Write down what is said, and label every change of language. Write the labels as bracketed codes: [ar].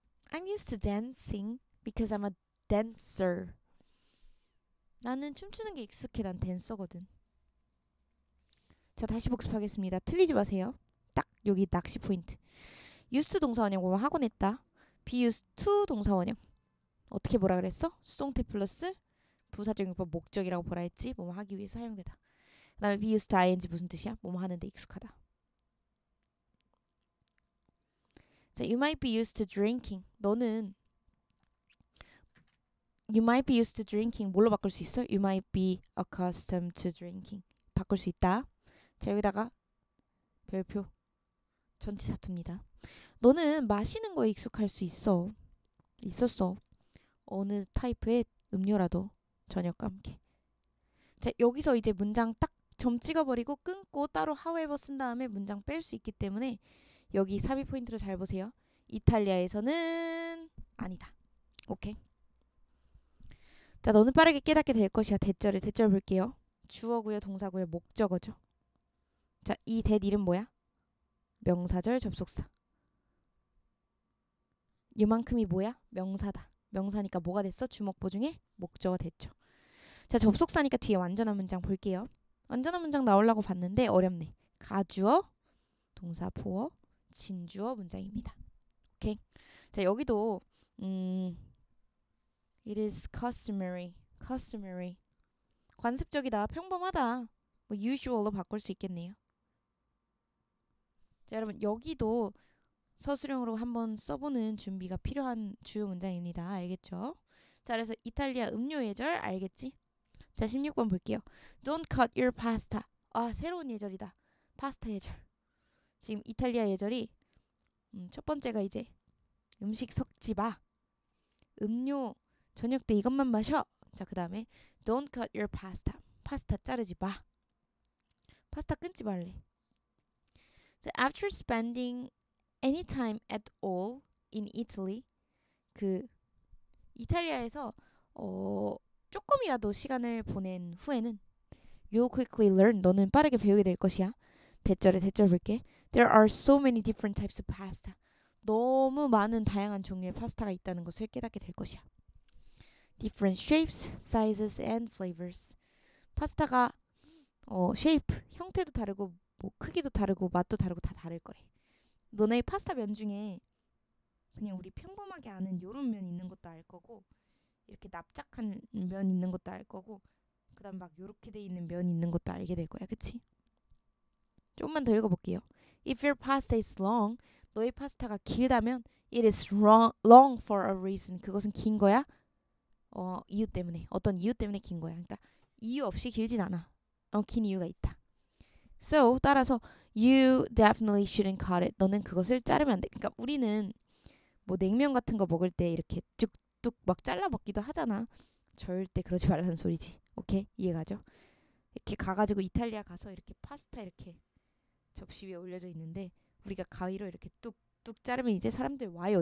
[en] I'm used to dancing because I'm a dancer. [ko] 나는 춤추는 게 익숙해. 난 댄서거든. 자, 다시 복습하겠습니다. 틀리지 마세요. 여기 낚시 포인트. used 동사 원형 보면 하곤 했다. [en] be used to [ko] 동사 원형 어떻게 보라 그랬어? 수동태 플러스 부사적 용법 목적이라고 보라 했지. 뭐뭐 하기 위해서 사용되다. 그 다음에 [en] be used ing [ko] 무슨 뜻이야? 뭐뭐 하는데 익숙하다. [en] 자, you might be used to drinking. [ko] 너는 [en] you might be used to drinking [ko] 뭘로 바꿀 수 있어? [en] you might be accustomed to drinking [ko] 바꿀 수 있다. 자, 여기다가 별표 전치사투입니다. 너는 마시는 거에 익숙할 수 있어. 있었어. 어느 타입의 음료라도 저녁과 함께. 자, 여기서 이제 문장 딱 점 찍어버리고 끊고 따로 however 쓴 다음에 문장 뺄 수 있기 때문에 여기 삽입 포인트로 잘 보세요. 이탈리아에서는 아니다. 오케이. 자, 너는 빠르게 깨닫게 될 것이야. 대절을 대절 볼게요. 주어고요, 동사고요, 목적어죠. 자, 이 that 이름 뭐야? 명사절 접속사. 이만큼이 뭐야? 명사다. 명사니까 뭐가 됐어? 주목보 중에 목적어 됐죠. 자, 접속사니까 뒤에 완전한 문장 볼게요. 완전한 문장 나오려고 봤는데 어렵네. 가주어, 동사보어, 진주어 문장입니다. 오케이. 자, 여기도 [en] It is customary. [ko] Customary. 관습적이다. 평범하다. 뭐 usual로 바꿀 수 있겠네요. 자, 여러분 여기도 서술형으로 한번 써보는 준비가 필요한 주요 문장입니다. 알겠죠? 자, 그래서 이탈리아 음료 예절 알겠지? 자, 16번 볼게요. [en] Don't cut your pasta. [ko] 아, 새로운 예절이다. 파스타 예절. 지금 이탈리아 예절이 첫 번째가 이제 음식 섞지 마. 음료 저녁 때 이것만 마셔. 자, 그 다음에 [en] Don't cut your pasta. [ko] 파스타 자르지 마. 파스타 끊지 말래. [en] So after spending any time at all in Italy, [ko] 그 이탈리아에서 조금이라도 시간을 보낸 후에는 [en] you'll quickly learn, [ko] 너는 빠르게 배우게 될 것이야. 대절에 대절 볼게. [en] There are so many different types of pasta. [ko] 너무 많은 다양한 종류의 파스타가 있다는 것을 깨닫게 될 것이야. [en] Different shapes, sizes, and flavors. [ko] 파스타가 shape, 형태도 다르고 뭐 크기도 다르고 맛도 다르고 다 다를 거래. 너네 파스타 면 중에 그냥 우리 평범하게 아는 요런 면 있는 것도 알 거고, 이렇게 납작한 면 있는 것도 알 거고, 그다음 막 요렇게 돼 있는 면 있는 것도 알게 될 거야. 그치? 좀만 더 읽어볼게요. [en] If your pasta is long, [ko] 너의 파스타가 길다면 [en] it is long for a reason. [ko] 그것은 긴 거야? 이유 때문에. 어떤 이유 때문에 긴 거야. 그러니까 이유 없이 길진 않아. 긴 이유가 있다. [en] So, [ko] 따라서 [en] you definitely shouldn't cut it. [ko] 너는 그것을 자르면 안 돼. 그러니까 우리는 뭐 냉면 같은 거 먹을 때 이렇게 쭉쭉 막 잘라 먹기도 하잖아. 절대 그러지 말라는 소리지. 오케이? 이해가죠? 이렇게 가가지고 이탈리아 가서 이렇게 파스타 이렇게 접시 위에 올려져 있는데 우리가 가위로 이렇게 뚝뚝 자르면 이제 사람들 와요.